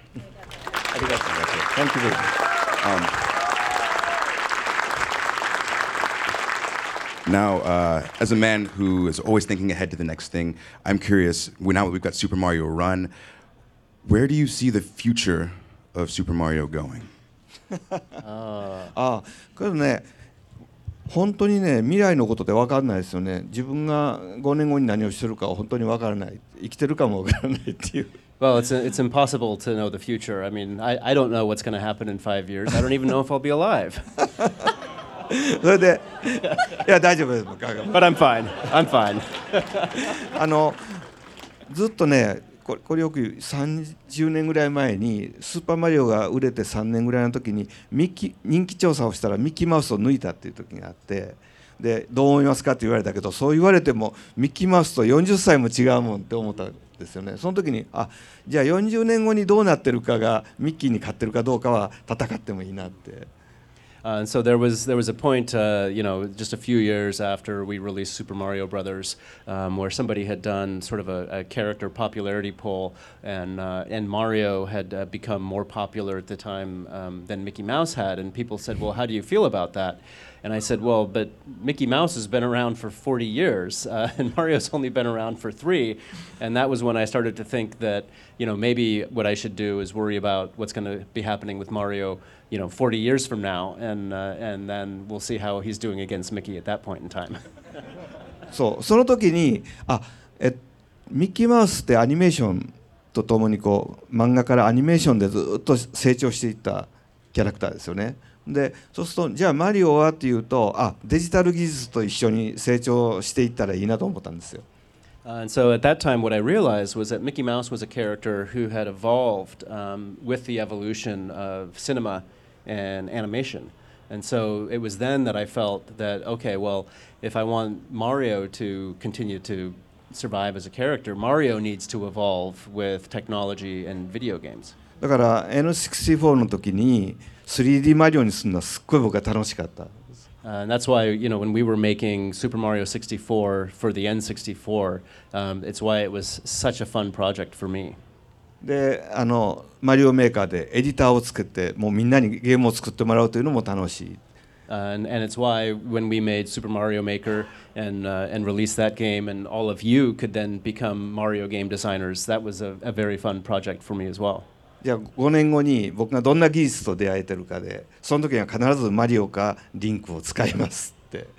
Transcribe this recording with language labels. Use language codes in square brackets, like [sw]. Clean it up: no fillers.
[en] Thank you very much. Now, as a man who is always thinking ahead to the next thing, I'm curious, now that we've got Super Mario Run, where do you see the future of Super Mario going? [ja] ああ、これね、本当にね、未来のことって分からないですよね。自分が5年後に何をしてるか本当に分からない。生きてるかも分からないっていう。 [en] Well, it's impossible to know the future. I mean, I don't know what's going to happen in 5 years. I don't even know if I'll be alive. それで、いや、大丈夫です。 But I'm fine. I'm fine. [ja] あの、ずっとね、これよく言う30年ぐらい前にスーパーマリオが売れて3年ぐらいの時に人気調査をしたらミッキーマウスを抜いたっていう時があってでどう思いますかって言われたけどそう言われてもミッキーマウスと40歳も違うもんって思ったんですよねその時にあじゃあ40年後にどうなってるかがミッキーに勝ってるかどうかは戦ってもいいなって [en] And so there was a point, you know, just a few years after we released Super Mario Brothers, where somebody had done sort of a character popularity poll, and Mario had become more popular at the time than Mickey Mouse had, and people said, well, how do you feel about that? And I said, well, but Mickey Mouse has been around for 40 years, and Mario's only been around for 3, and that was when I started to think that, you know, maybe what I should do is worry about what's going to be happening with Mario. You know, 40 years from now, and then we'll see how he's doing against Mickey at that point in time. [ja] So, その時に、あ、ミッキーマウスってアニメーションとともにこう漫画からアニメーションでずっと成長していったキャラクターですよね。で、そうすると、じゃあマリオはっていうと、あ、デジタル技術と一緒に成長していったらいいなと思ったんですよ。 [en] And so at that time, what I realized was that Mickey Mouse was a character who had evolved with the evolution of cinema and animation. And so it was then that I felt that, okay, well, if I want Mario to continue to survive as a character, Mario needs to evolve with technology and video games. [ja] だから N64 の時に 3D マリオにするのはすっごい僕は楽しかった。 [en] And that's why, you know, when we were making Super Mario 64 for the N64, it's why it was such a fun project for me. [ja] で、あの、マリオメーカーでエディターを作って、もうみんなにゲームを作ってもらうというのも楽しい。 [en] And it's why when we made Super Mario Maker and released that game and all of you could then become Mario game designers, that was a very fun project for me as well. [ja] じゃあ5年後に僕がどんな技術と出会えてるかで、その時には必ずマリオかリンクを使いますって。